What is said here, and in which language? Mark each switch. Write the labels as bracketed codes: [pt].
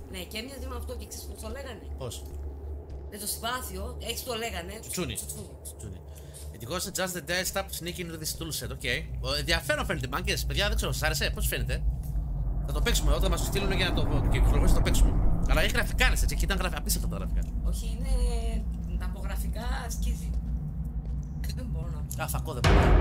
[el] Και έμοιαζε με αυτό και ξέρεις πως το λέγανε. Πώς. Με το συμπάθειο, έτσι το λέγανε. Τσουτσούνι. Τσουτσούνι. Ετυχώς είναι [en] just the desktop sneaking into this toolset, ok. [el] Ενδιαφέρον φαίνεται, μάγκες. Παιδιά, δεν ξέρω, σας άρεσε, πώς φαίνεται. Θα το παίξουμε όταν μας το στείλουν για να το κυκλοφορήσει, το παίξουμε. Αλλά έχει γραφικά, έτσι, και ήταν γραφικά. Απίστευτα τα γραφικά. Όχι, είναι ταπογραφικά σκίζει. Δεν μπορώ να πω. Α, φακό δεν μπορεί.